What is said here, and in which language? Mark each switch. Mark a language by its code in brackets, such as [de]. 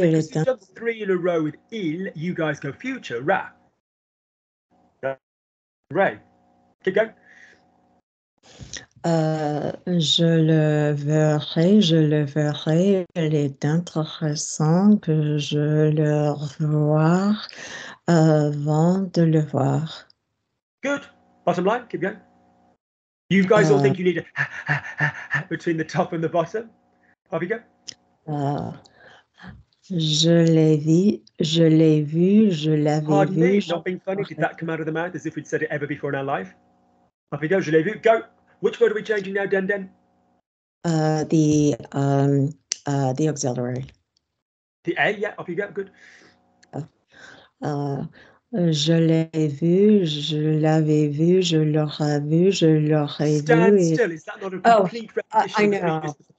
[en] If you jump three in a row with il, you guys go future, ra. Ray, keep going. [fr] Je le verrai, Il est intéressant que je le revoie avant de le voir. [en] Good. Bottom line, keep going. You guys all think you need a between the top and the bottom. Off you go. [fr] Je l'ai vu. [en] Pardon me, not being funny. Did that come out of the mouth as if we'd said it ever before in our life? Off you go. [fr] Je l'ai vu. [en] Go. Which word are we changing now, Denden? The auxiliary. The A, yeah, off you go, good. [fr] Je l'ai vu, je l'avais vu, je l'aurais vu, je l'aurais [en] Stand [fr] vu. [en] Stand still, is that not a complete repetition?